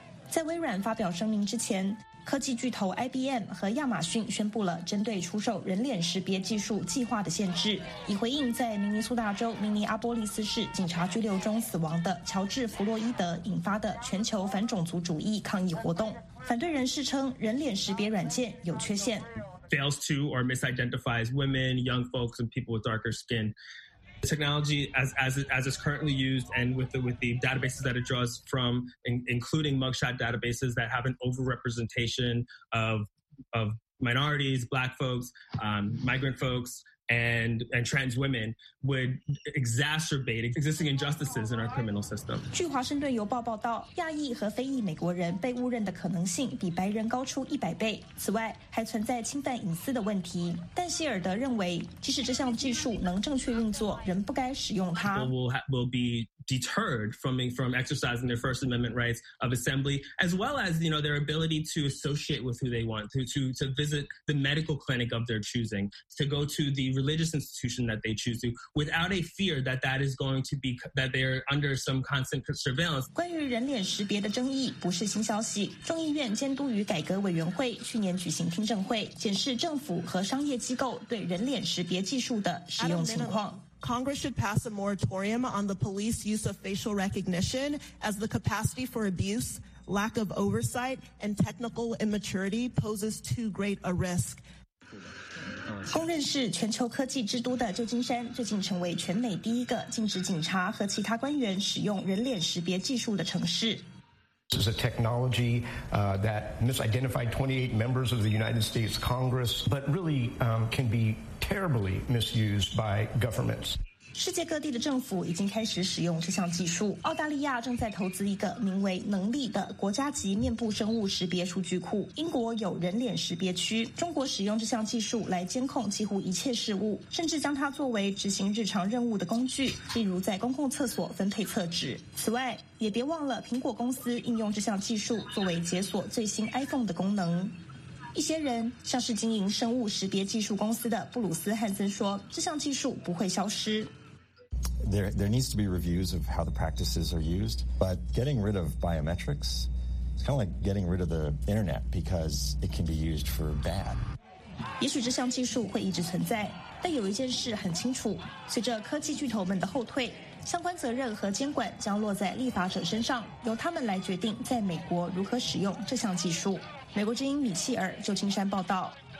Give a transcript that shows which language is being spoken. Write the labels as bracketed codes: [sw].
[zh] 在微软发表声明之前，科技巨头 IBM 和亚马逊宣布了针对出售人脸识别技术计划的限制，以回应在明尼苏达州明尼阿波利斯市警察拘留中死亡的乔治·弗洛伊德引发的全球反种族主义抗议活动。反对人士称人脸识别软件有缺陷 [en] ，fails to or misidentifies women, young folks, and people with darker skin. The technology as it's currently used and with the databases that it draws from, including mugshot databases that have an overrepresentation of minorities, black folks, migrant folks, and trans women would exacerbate existing injustices in our criminal system. [zh] 据华盛顿邮报报道，亚裔和非裔美国人被误认的可能性比白人高出100倍。此外，还存在侵犯隐私的问题。但希尔德认为，即使这项技术能正确运作，仍不该使用它。 [en] People will be deterred from exercising their First Amendment rights of assembly, as well as you know their ability to associate with who they want to visit the medical clinic of their choosing, to go to the religious institution that they choose to. Without a fear that is going to be that they're under some constant surveillance. [zh] 关于人脸识别的争议不是新消息。众议院监督与改革委员会去年举行听证会，检视政府和商业机构对人脸识别技术的使用情况。 [en] Congress should pass a moratorium on the police use of facial recognition as the capacity for abuse, lack of oversight, and technical immaturity poses too great a risk. [zh] 公认是全球科技之都的旧金山最近成为全美第一个禁止警察和其他官员使用人脸识别技术的城市。 [en] This is a technology that misidentified 28 members of the United States Congress, but really can be terribly misused by governments. [zh] 世界各地的政府已经开始使用这项技术。澳大利亚正在投资一个名为“能力”的国家级面部生物识别数据库。英国有人脸识别区。中国使用这项技术来监控几乎一切事物，甚至将它作为执行日常任务的工具，例如在公共厕所分配厕纸。此外，也别忘了苹果公司应用这项技术作为解锁最新 iPhone 的功能。一些人，像是经营生物识别技术公司的布鲁斯·汉森说，这项技术不会消失。 [en] There needs to be reviews of how the practices are used, but getting rid of biometrics, it's kind of like getting rid of the internet because it can be used for bad. [zh] 也许这项技术会一直存在，但有一件事很清楚，随着科技巨头们的后退，相关责任和监管将落在立法者身上，由他们来决定在美国如何使用这项技术。美国之音米切尔旧金山报道。